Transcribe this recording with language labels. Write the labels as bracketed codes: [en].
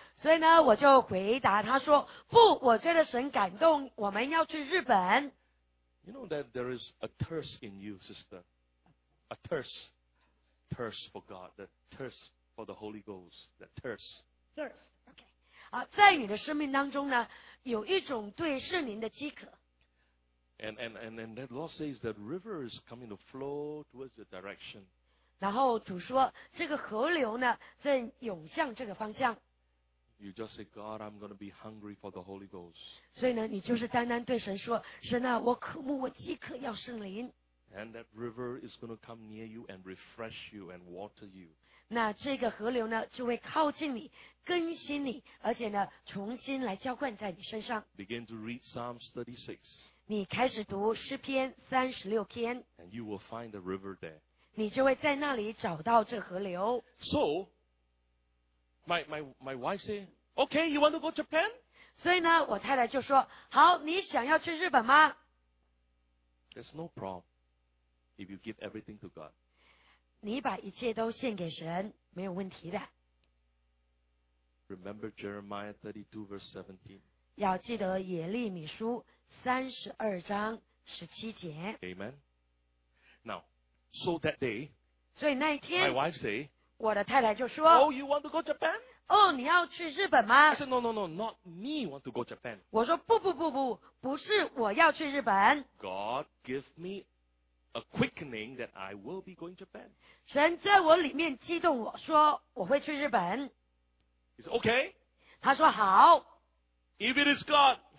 [zh] 所以呢，我就回答他说：“不，我觉得神感动，我们要去日本。” [en] You know that there is a thirst in you, sister, a thirst for God, the thirst for the Holy Ghost, that thirst. Okay. [zh] 在你的生命当中呢，有一种对圣灵的饥渴。 [en] And that Lord says that river is coming to flow towards the direction. [zh] 然后主说，这个河流呢，正涌向这个方向。 [en] You just say, God, I'm going to be hungry for the Holy Ghost. [zh] 所以呢，你就是单单对神说，神啊，我渴慕，我饥渴要圣灵。 [en] And that river is going to come near you and refresh you and water you. [zh] 那这个河流呢，就会靠近你，更新你，而且呢，重新来浇灌在你身上。 [en] Begin to read Psalms 36. [zh] 你开始读诗篇36篇。 [en] And you will find the river there. [zh] 你就会在那里找到这河流。 [en] So, my wife say, okay, you want to go Japan? [zh] 所以呢，我太太就说，好，你想要去日本吗？ [en] There's no problem if you give everything to God. [zh] 你把一切都献给神，没有问题的。 [en] Remember Jeremiah 32 verse 17. [zh] 要记得耶利米书三十二章十七节。 [en] Amen. Now. So that day, [zh] 所以那一天 [en] my wife say, [zh] 我的太太就说 [en] Oh, you want to go Japan? [zh] Oh, 你要去日本吗 [en] I said, no, not me want to go Japan. [zh] 我说不不是我要去日本 [en] God give me a quickening that I will be going Japan. [zh] 神在我里面激动我说我会去日本 [en] He said, okay. [zh] 他说好 [en] If it is God,